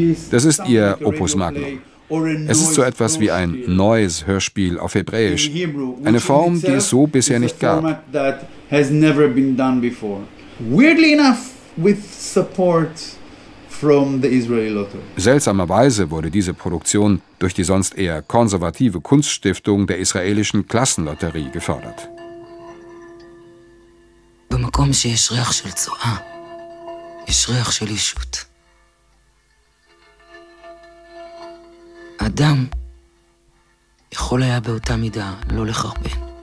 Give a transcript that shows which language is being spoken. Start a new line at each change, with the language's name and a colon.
German: Das ist ihr Opus Magnum. Es ist so etwas wie ein neues Hörspiel auf Hebräisch, eine Form, die es so bisher nicht gab.
English: Has never been done before. Weirdly enough, with support from the Israeli Lottery.
German: Seltsamerweise wurde diese Produktion durch die sonst eher konservative Kunststiftung der israelischen Klassenlotterie gefördert.
Hebrew: במקום שיש ריח של צואה, יש ריח של ישות. אדם יכול היה באותה מידה לא לחרבן.